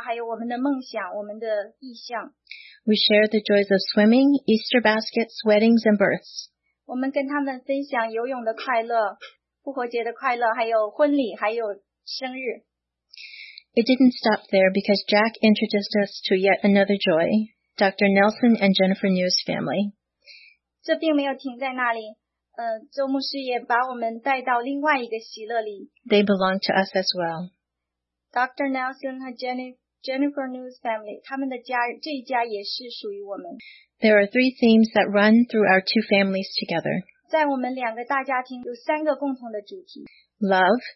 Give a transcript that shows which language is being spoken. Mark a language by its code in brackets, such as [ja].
[zh] 早期的年日里我们跟他们分享我们住在别的国家，还有我们的梦想，我们的意向。 [en] We shared the joys of swimming, Easter baskets, weddings, and births. [zh] 我们跟他们分享游泳的快乐，复活节的快乐，还有婚礼，还有生日。 [en] It didn't stop there because Jack introduced us to yet another joy, Dr. Nelson and Jennifer New's family. [zh] 这并没有停在那里，周牧师也把我们带到另外一个喜乐里。 [en] They belong to us as well. [zh] Dr. Nelson 和 Jennifer New's family, 他们的家，这一家也是属于我们。 [en] There are three themes that run through our two families together. [zh] 在我们两个大家庭有三个共同的主题。 [en] Love,